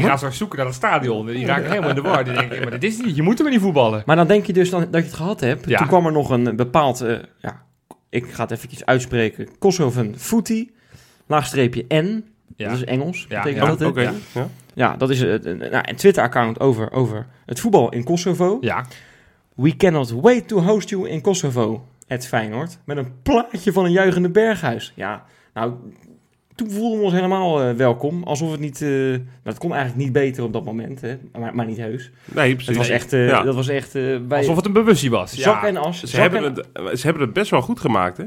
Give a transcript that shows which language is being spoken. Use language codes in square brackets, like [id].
[nl] Die gaan zo zoeken naar het stadion, die raken helemaal in de war. Die denken, maar dit is niet, je moet er maar niet voetballen. Maar dan denk je dus dan, dat je het gehad hebt. Ja. Toen kwam er nog een bepaald, ik ga het even uitspreken, Kosovan Footy, laagstreepje N, ja. Dat is Engels, ja, betekent ja. Dat het. Okay. Ja. Ja, dat is een Twitter-account over het voetbal in Kosovo. Ja. [en] We cannot wait to host you in Kosovo, at Feyenoord. [nl] Met een plaatje van een juichende Berghuis. Ja, nou, toen voelden we ons helemaal welkom. Alsof het niet... het kon eigenlijk niet beter op dat moment, hè. Maar niet heus. Nee, precies. Het was echt, dat was echt... Alsof het een bewustie was. Zak en as. Ze hebben het best wel goed gemaakt, hè.